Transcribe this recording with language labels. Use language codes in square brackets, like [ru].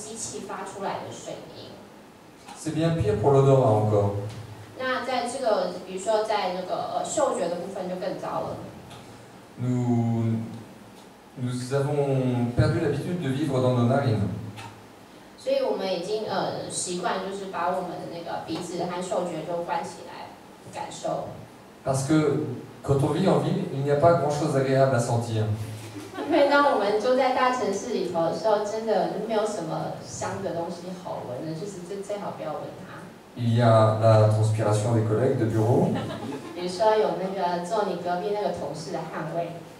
[fr] C'est bien pire pour l'odorat encore. Nous avons perdu l'habitude de vivre dans nos narines. [zh] 所以我们已经习惯就是把我们的那个鼻子和嗅觉都关起来感受。 [fr] Parce que quand on vit en ville, il n'y a pas grand chose agréable à sentir. [zh] 因为当我们住在大城市里头的时候，真的没有什么香的东西好闻的，就是最好不要闻它。 [fr] Il y a la transpiration des collègues de bureau. [zh] 比如说有那个坐你隔壁那个同事的汗味。